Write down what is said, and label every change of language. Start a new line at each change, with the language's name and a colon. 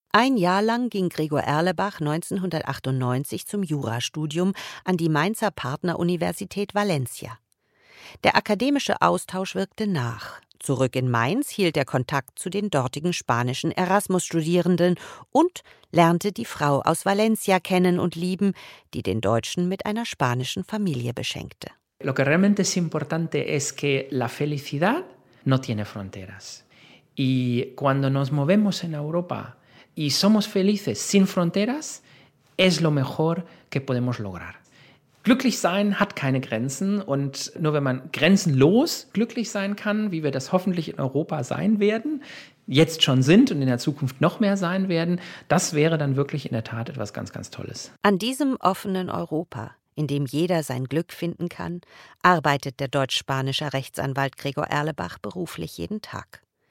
German: Ein Jahr lang ging Gregor Erlebach 1998 zum Jurastudium an die Mainzer Partneruniversität Valencia. Der akademische Austausch wirkte nach. Zurück in Mainz hielt er Kontakt zu den dortigen spanischen Erasmus-Studierenden und lernte die Frau aus Valencia kennen und lieben, die den Deutschen mit einer spanischen Familie beschenkte.
Spanish: Lo que realmente es importante es que la felicidad no tiene fronteras. Y cuando nos movemos en Europa y somos felices sin fronteras, es lo mejor que podemos lograr.
German: Glücklich sein hat keine Grenzen und nur wenn man grenzenlos glücklich sein kann, wie wir das hoffentlich in Europa sein werden, jetzt schon sind und in der Zukunft noch mehr sein werden, das wäre dann wirklich in der Tat etwas ganz, ganz Tolles. An diesem offenen Europa, in dem jeder sein Glück finden kann, arbeitet der deutsch-spanische Rechtsanwalt Gregor Erlebach beruflich jeden Tag.